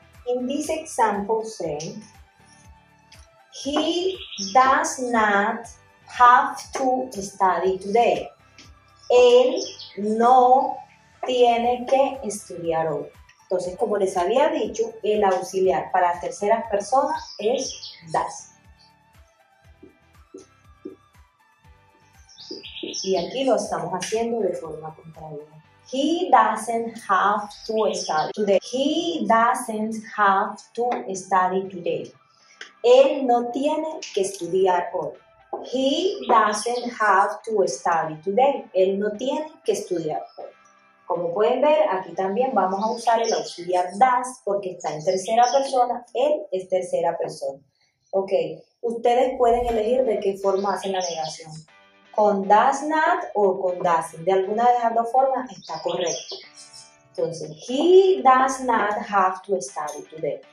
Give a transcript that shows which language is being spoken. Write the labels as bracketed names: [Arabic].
[English] In this example, say, he does not have to study today. [Spanish] Él no tiene que estudiar hoy. Entonces, como les había dicho, el auxiliar para las terceras personas es does. Y aquí lo estamos haciendo de forma contraria. [English] He doesn't have to study today. He doesn't have to study today. [Spanish] Él no tiene que estudiar hoy. [English] He doesn't have to study today. [Spanish] Él no tiene que estudiar hoy. Como pueden ver, aquí también vamos a usar el auxiliar does porque está en tercera persona, él es tercera persona. Ok, ustedes pueden elegir de qué forma hacen la negación. Con does not o con doesn't. De alguna de las dos formas está correcto. Entonces, [English] he does not have to study today.